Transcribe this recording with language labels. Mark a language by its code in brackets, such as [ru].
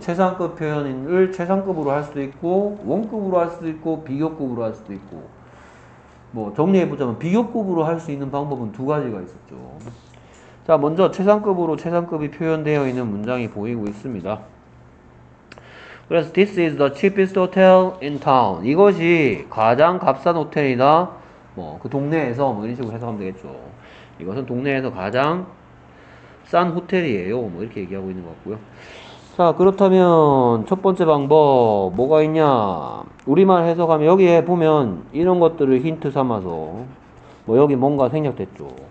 [ko] 최상급 표현을 최상급으로 할 수도 있고 원급으로 할 수도 있고 비교급으로 할 수도 있고 뭐 정리해보자면 비교급으로 할수 있는 방법은 두 가지가 있었죠. 자 먼저 최상급으로 최상급이 표현되어 있는 문장이 보이고 있습니다. 그래서 [en] This is the cheapest hotel in town. [ko] 이것이 가장 값싼 호텔이다. 뭐그 동네에서 뭐 이런 식으로 해석하면 되겠죠. 이것은 동네에서 가장 싼 호텔이에요. 뭐 이렇게 얘기하고 있는 것 같고요. 자, 그렇다면 첫 번째 방법 뭐가 있냐? 우리말 해석하면 여기에 보면 이런 것들을 힌트 삼아서 뭐 여기 뭔가 생략됐죠.